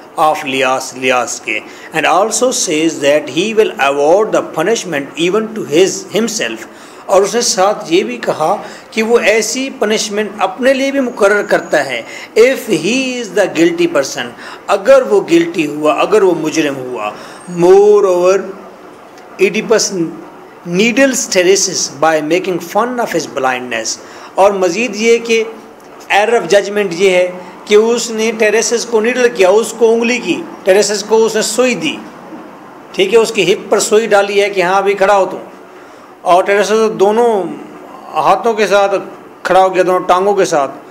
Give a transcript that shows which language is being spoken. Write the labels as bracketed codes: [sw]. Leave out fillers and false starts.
[en] of Lias, Liaske, and also says that he will award the punishment even to his himself. [ur] اور اس نے ساتھ یہ بھی کہا کہ وہ ایسی پنشمنٹ اپنے لیے بھی مقرر کرتا ہے [en] if he is the guilty person, [ur] اگر وہ گلٹی ہوا, اگر وہ مجرم ہوا. [en] Moreover, Oedipus needles Tiresias by making fun of his blindness. [ur] اور مزید یہ کہ [en] error of judgment [ur] یہ ہے کہ اس نے Tiresias کو نیڈل کیا, اس کو انگلی کی, Tiresias کو اس نے سوئی دی, ٹھیک ہے, اس کی ہپ پر سوئی ڈالی ہے کہ ہاں ابھی کھڑا ہو تم, اور Tiresias دونوں ہاتھوں کے ساتھ کھڑا ہو گیا, دونوں ٹانگوں کے ساتھ.